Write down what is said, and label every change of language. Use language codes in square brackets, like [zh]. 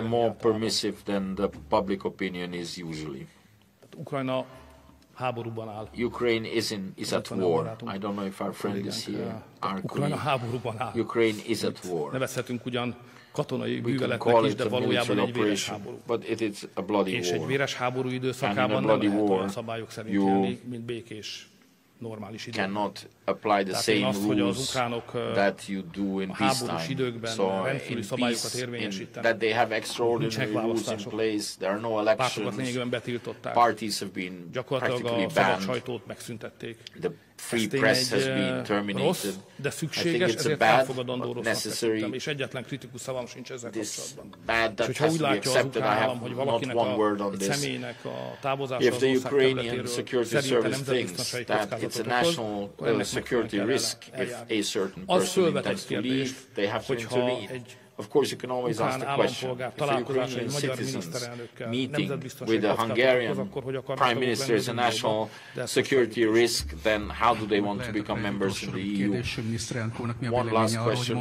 [en] I'm more permissive than the public opinion is usually. [hu] Ukrajna háborúban áll. [en] Ukraine is at war. I don't know if our friend is here. [hu] Ukrajna háborúban áll. [en] Ukraine is at war. [hu] Nevezhetünk ugyan katonai műveletnek is, de valójában egy véres háború. [en] But it is a bloody [hu] és [en] war. [hu] És egy véres háború időszakában nem lehet olyan szabályok szerint élni, mint békés, normális időben. [en] Cannot apply the same rules that you do in [hu] háborús időkben so rendkívüli szabályokat érvényesíteni. [en] That they have extraordinary rules in place, there are no elections, parties have been practically banned, [hu] a sajtót megszüntették. [en] The free press has been terminated. [hu] Rossz, de szükséges, ezért elfogadandó rossznak tettem, és egyetlen kritikus szavam sincs ezzel kapcsolatban. És ha úgy látja az ukrán állam, hogy valakinek egy személynek a távozása az ország területéről szerint a nemzetbiztonsági kockázatot okoz, [en] security risk if a certain person intends to leave, they have to intervene. Of course, you can always ask the question. If a Ukrainian citizen's meeting with a Hungarian prime minister is a national security risk, then how do they want to become members of the EU? One last question.